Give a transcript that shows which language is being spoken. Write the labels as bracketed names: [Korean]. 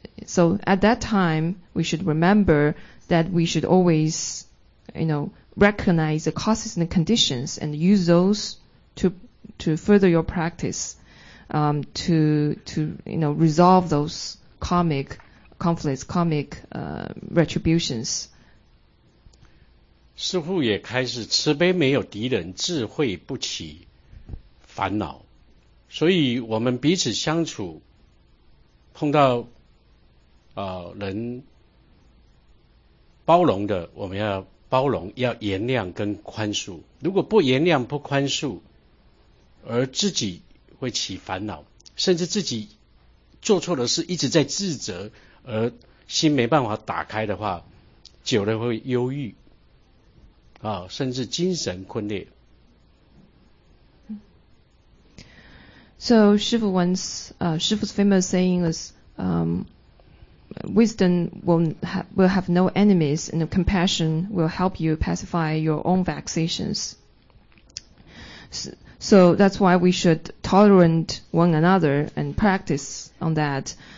[English] So at that time, we should remember that we should always, recognize the causes and the conditions and use those to further your practice, to resolve those karmic conflicts, karmic retributions. [Chinese] 似乎也开始慈悲没有敌人，智慧不起烦恼，所以我们彼此相处碰到人包容的，我们要包容，要原谅跟宽恕。如果不原谅不宽恕，而自己会起烦恼，甚至自己做错的事一直在自责，而心没办法打开的话，久了会忧郁啊，甚至精神困裂。 [English] So 师父 once 师父 's famous saying is Wisdom will have no enemies, and compassion will help you pacify your own vexations. So that's why we should tolerate one another and practice on that.